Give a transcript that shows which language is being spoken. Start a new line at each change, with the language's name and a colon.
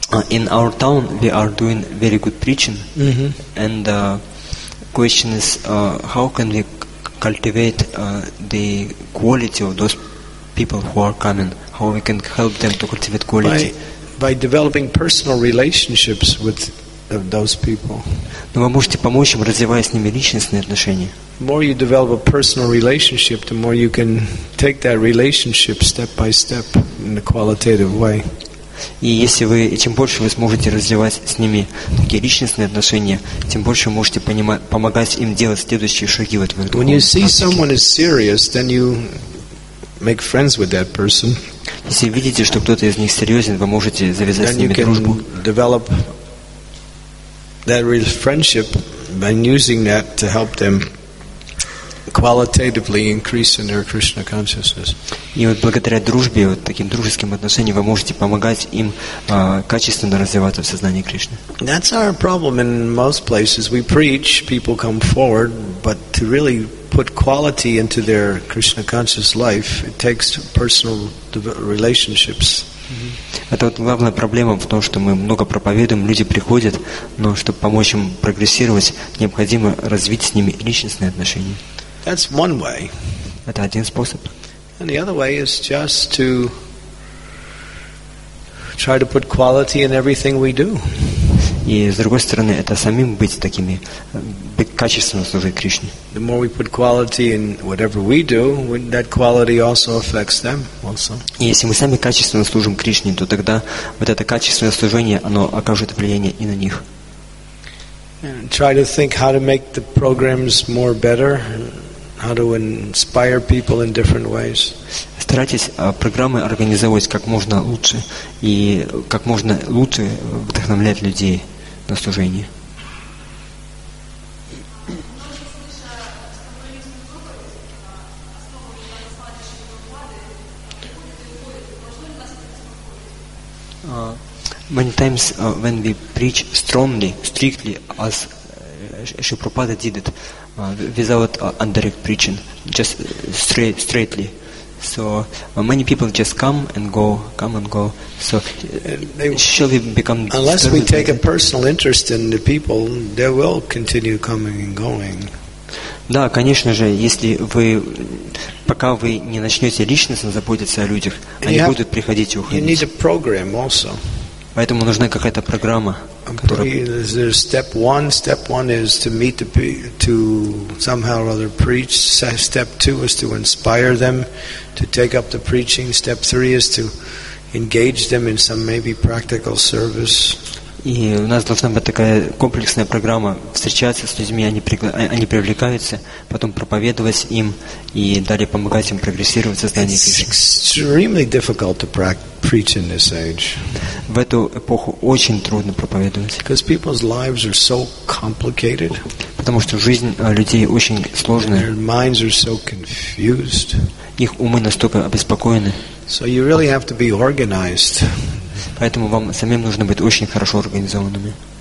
English: In our town, we are doing very good preaching, and question is, how can we cultivate the quality of those people who are coming, how we can help them to cultivate quality? By developing personal relationships with those people.
Russian: Но вы можете помочь им, развивая с ними личностные отношения.
English: The more you develop a personal relationship, the more you can take that relationship step by step in a qualitative way.
Russian: И если вы, чем больше вы сможете развивать с ними такие личностные отношения, тем больше вы можете помогать им делать следующие шаги в этом духовном практике.
English: When you see someone is serious, then you make friends with that person.
Russian: Если видите, что кто-то из них серьезен, вы можете завязать
English: then Then you can develop that real friendship by using that to help them qualitatively increase in their Krishna consciousness.
Russian: И вот благодаря дружбе, вот таким дружеским отношениям, вы можете помогать им качественно развиваться в сознании Кришны.
English: That's our problem in most places. We preach, people come forward, but to really put quality into their Krishna conscious life, it takes personal relationships.
Russian: Это вот главная проблема в том, что мы много проповедуем, люди приходят, но чтобы помочь им прогрессировать, необходимо развить с ними личностные отношения.
English: That's one way.
Russian: Это один способ.
English: And the other way is just to try to put quality in everything we do.
Russian: И с другой стороны, это самим быть такими, быть качественно служить Кришне.
English: The more we put quality in whatever we do, that quality also affects them also.
Russian: И если мы сами качественно служим Кришне, то тогда вот это качественное служение, оно окажет влияние и на них.
English: And try to think how to make the programs more better, how to inspire people in different ways.
Russian: Старайтесь программы организовывать как можно лучше и как можно лучше вдохновлять людей на служение.
English: Many times when we preach strongly, strictly, as Shri Prabhupada did it, without indirect preaching, just straightly. So many people just come and go. So shall we become disturbed? Unless we take a personal interest in the people, they will continue coming and going.
Russian: Да, конечно же, если вы, пока вы не начнете личностно заботиться о людях, они будут приходить и уходить.
English: You need a program also.
Russian: Поэтому нужна какая-то программа, которая.
English: Step one is to meet to somehow or other preach. Step two is to inspire them to take up the preaching. Step three is to engage them in some maybe practical service.
Russian: И у нас должна быть такая комплексная программа: встречаться с людьми, они привлекаются, потом проповедовать им и далее помогать им прогрессировать в сознании.
English: It's extremely difficult to preach in this age.
Russian: В эту эпоху очень трудно проповедовать.
English: Because people's lives are so complicated.
Russian: Потому что жизнь людей очень сложная.
English: Their minds are so confused.
Russian: Их умы настолько обеспокоены.
English: So you really have to be organized.
Russian: Поэтому вам самим нужно быть очень хорошо организованными.